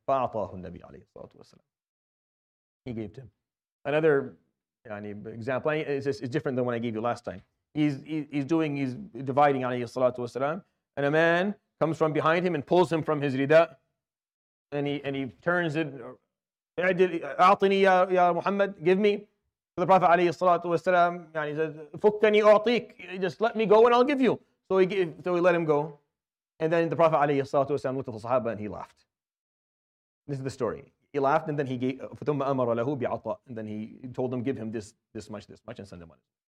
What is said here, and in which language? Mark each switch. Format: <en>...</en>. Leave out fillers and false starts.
<ar>فَأَعْطَاهُ النَّبِي عَلَيْهِ الصَّلَاةُ وَالسَّلَامُ.</ar> <en>He gave to him. Another example. It's different than what I gave you last time. He's dividing alayhi salatu wasalam. And a man comes from behind him and pulls him from his rida, and he turns it.</en> <ar>أعطني يا محمد,</ar> <en>give me. So the Prophet عليه الصلاة والسلام, يعني says,</en> <ar>فكني أعطيك,</ar> <en>just let me go and I'll give you. So he let him go, and then the Prophet عليه الصلاة والسلام looked at the Sahaba and he laughed. This is the story. He laughed and then he gave.</en> <ar>ثم أمر له بعطاء,</ar> <en>and then he told him, give him this much, and send him money.</en>